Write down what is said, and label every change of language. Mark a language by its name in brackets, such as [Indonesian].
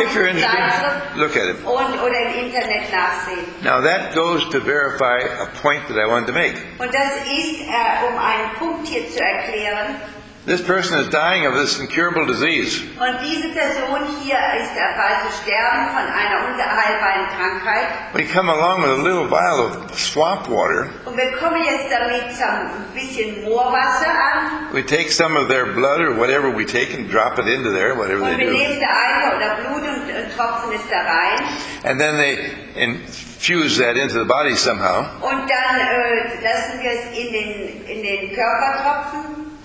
[English] If you're interested, look at it. [German] Oder im Internet nachsehen. [English] Now, that goes to verify a point that I wanted to make. [German] Und das ist, um einen Punkt hier zu erklären. [English] This person is dying of this incurable disease. [German] Und diese Person hier ist dabei zu sterben von einer ungeheilbaren Krankheit. [English] We come along with a little vial of swamp water. [German] Und wir kommen jetzt damit ein bisschen Moorwasser an. [English] We take some of their blood or whatever we take and drop it into there, whatever [German] und Und wir nehmen der Eier oder Blut und tropfen es da rein. [English] And then they infuse that into the body somehow. [German] Und dann lassen wir es in den Körper tropfen.